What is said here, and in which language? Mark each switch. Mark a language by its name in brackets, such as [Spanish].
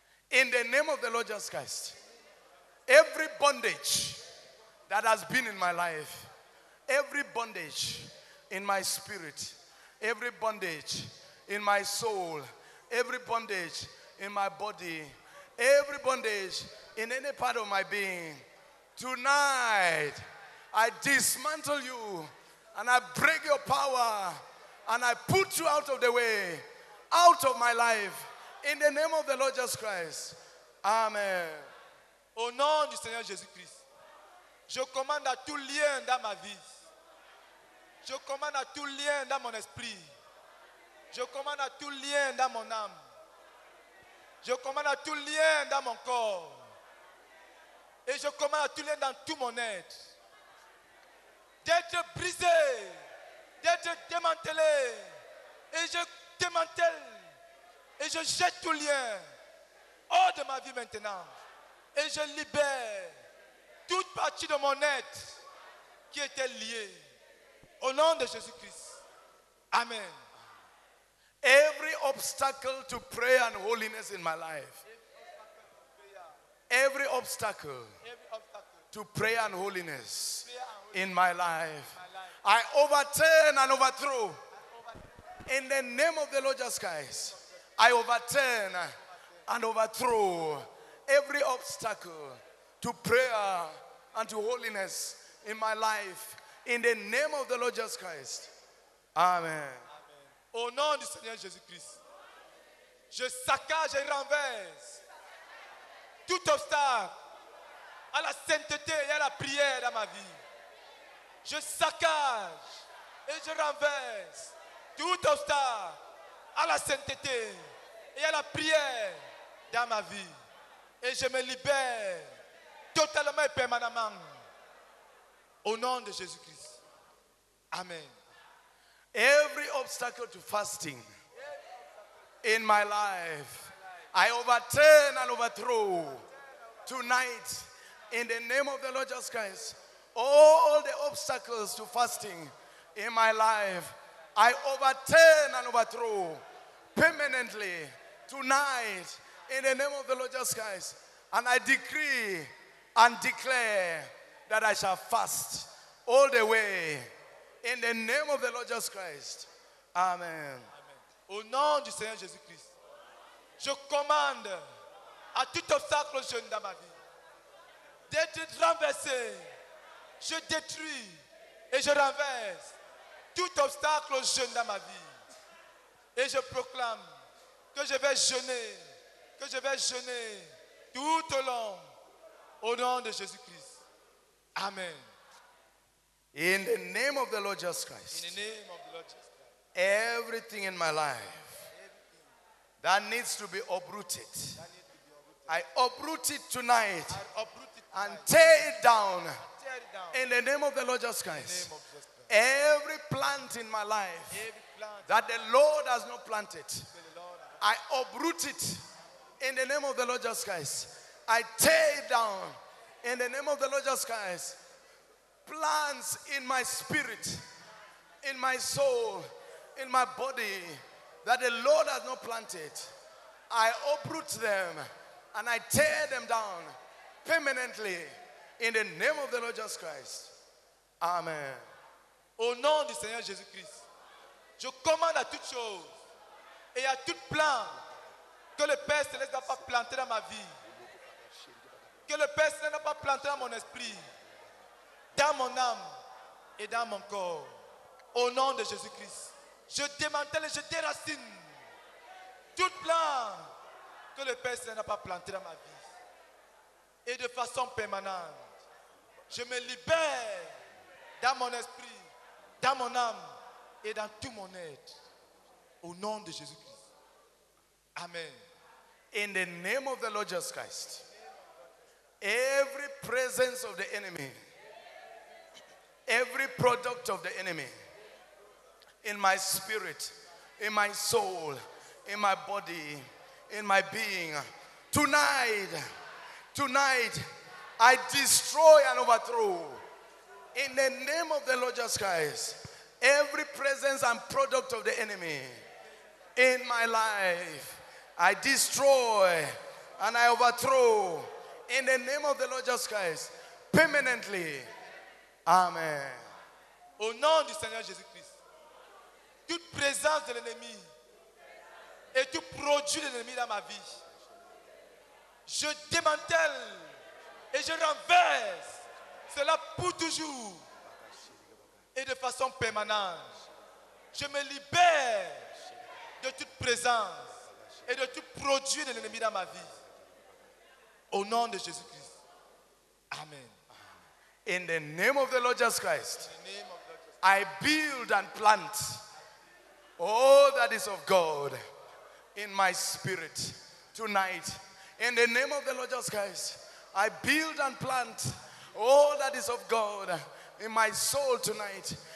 [English] In the name of the Lord Jesus Christ, every bondage that has been in my life, every bondage in my spirit, every bondage in my soul, every bondage in my body, every bondage in any part of my being, tonight I dismantle you and I break your power. And I put you out of the way, out of my life, in the name of the Lord Jesus Christ. Amen. [French] Au nom du Seigneur Jésus Christ, je commande à tout lien dans ma vie. Je commande à tout lien dans mon esprit. Je commande à tout lien dans mon âme. Je commande à tout lien dans mon corps. Et je commande à tout lien dans tout mon être. D'être brisé. D'être démantelé et je démantèle et je jette tout lien hors de ma vie maintenant et je libère toute partie de mon être qui était liée au nom de Jésus-Christ. Amen. [English] Every obstacle to prayer and holiness in my life. Every obstacle to prayer and holiness in my life. I overturn and overthrow. In the name of the Lord Jesus Christ, I overturn and overthrow every obstacle to prayer and to holiness in my life. In the name of the Lord Jesus Christ. Amen. [French] Au nom du Seigneur Jésus Christ, je saccage et renverse tout obstacle à la sainteté et à la prière dans ma vie. Je saccage et je renverse tout obstacle à la sainteté et à la prière dans ma vie. Et je me libère totalement et permanemment au nom de Jésus-Christ. Amen. [English] Every obstacle to fasting in my life, I overturn and overthrow tonight in the name of the Lord Jesus Christ. All the obstacles to fasting in my life, I overturn and overthrow permanently tonight in the name of the Lord Jesus Christ. And I decree and declare that I shall fast all the way in the name of the Lord Jesus Christ. Amen. [French] Au nom du Seigneur Jésus Christ, je commande à tout obstacle jeune dans ma vie d'être renversé. Je détruis et je renverse tout obstacle au jeûne dans ma vie. Et je proclame que je vais jeûner, que je vais jeûner tout au long au nom de Jésus-Christ. Amen. [English] In the name of the Lord Jesus Christ. In the name of the Lord Jesus Christ. Everything in my life that needs to be uprooted. I uproot it tonight and tear it down. In the name of the Lord Jesus Christ, every plant in my life that the Lord has not planted, I uproot it in the name of the Lord Jesus Christ. I tear it down in the name of the Lord Jesus Christ. Plants in my spirit, in my soul, in my body that the Lord has not planted, I uproot them and I tear them down permanently. In the name of the Lord Jesus Christ. Amen. [French] Au nom du Seigneur Jésus Christ, je commande à toutes choses et à toute plante que le Père Céleste n'a pas planté dans ma vie que le Père Saint n'a pas planté dans mon esprit, dans mon âme et dans mon corps. Au nom de Jésus-Christ, je démantèle et je déracine toute plante que le Père Saint n'a pas plantée dans ma vie. Et de façon permanente, je me libère dans mon esprit, dans mon âme et dans tout mon être. Au nom de Jésus-Christ. Amen. [English] In the name of the Lord Jesus Christ, every presence of the enemy, every product of the enemy, in my spirit, in my soul, in my body, in my being, tonight, I destroy and overthrow. In the name of the Lord Jesus Christ, every presence and product of the enemy in my life, I destroy and I overthrow. In the name of the Lord Jesus Christ, permanently. Amen. [French] Au nom du Seigneur Jésus-Christ, toute présence de l'ennemi et tout produit de l'ennemi dans ma vie, je démantèle et je renverse cela pour toujours et de façon permanente. Je me libère de toute présence et de tout produit de l'ennemi dans ma vie. Au nom de Jésus-Christ. Amen. [English] In the name of the Lord Jesus Christ, I build and plant all that is of God in my spirit tonight. In the name of the Lord Jesus Christ, I build and plant all that is of God in my soul tonight.